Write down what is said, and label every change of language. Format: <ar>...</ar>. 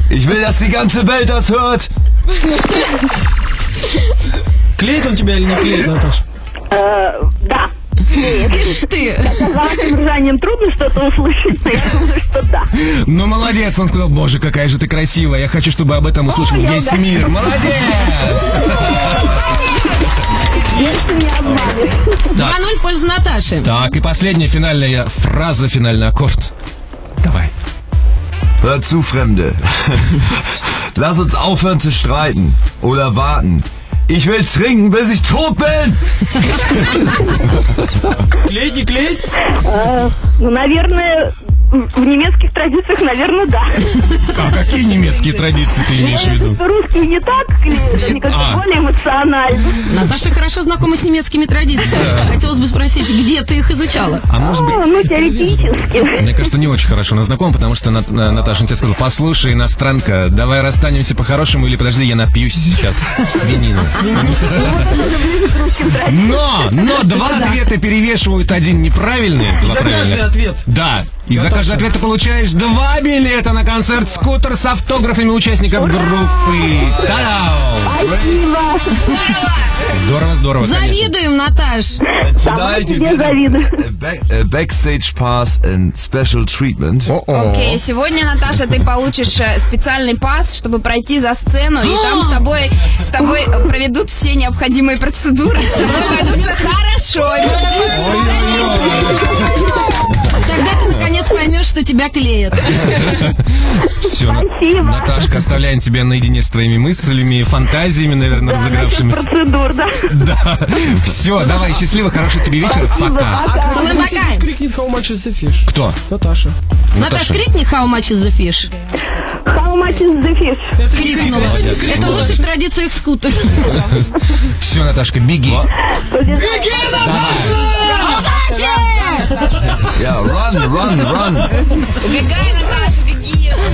<de>Ich will, dass die ganze Welt das hört.</de> <ru>Клеит он тебя или не клеит, Наташ? Да. Ишь ты. Казалось, ржанием трудно что-то услышать, но я думаю, что да. Ну, молодец, он сказал, боже, какая же ты красивая, я хочу, чтобы об этом услышал весь мир. Молодец! Если не обманет. 2-0 в пользу Наташи. Так, и последняя финальная фраза, финальный аккорд. Давай.</ru> <de>Hör zu, Fremde. Lass uns aufhören zu streiten oder warten. Ich will trinken, bis ich tot bin.</de> <ru>Клеит, не клеит? Ну, наверное, в немецких традициях, наверное, да. А какие немецкие традиции ты имеешь в виду? Русские не так клеит, они как-то более эмоционально. Наташа хорошо знакома с немецкими традициями. Хотелось бы спросить, где ты их изучала? А может быть... Ну, теоретически. Мне кажется, не очень хорошо она знакома, потому что Наташа тебе сказала, послушай, иностранка, давай расстанемся по-хорошему, или подожди, я напьюсь сейчас свинины. Но два ответа перевешивают один неправильный. За каждый ответ. Да. И за каждый ответ ты получаешь два билета на концерт «Скутер» с автографами участников группы. Та-дам! Спасибо! Здорово, здорово, конечно. Завидуем, Наташ. Да, я завидую.</ru> <en>Backstage pass and special treatment.</en> <ru>Окей, сегодня, Наташа, ты получишь специальный пас, чтобы пройти за сцену, и там с тобой проведут все необходимые процедуры. С тобой пройдутся хорошо. Тогда ты наконец поймешь, что тебя клеят. Все. Спасибо. Наташка, оставляем тебя наедине с твоими мыслями и фантазиями, наверное, да, разыгравшимися. Процедур, да. Да. Все, давай, счастливо, хорошего тебе вечера. Спасибо, пока. Целуем, пока. Кто крикнет,</ru> <en>how much is the fish?</en> <ru>Кто? Наташа.</ru> <en>Наташа,</en> <ru>крикни,</ru> <en>how much is the fish?</en> <ru>How Крикнула. Это в лучших традициях скутера. Все, Наташка, беги. Беги, Наташа! Удачи! Я run. Убегай, Наташа, беги.</ru>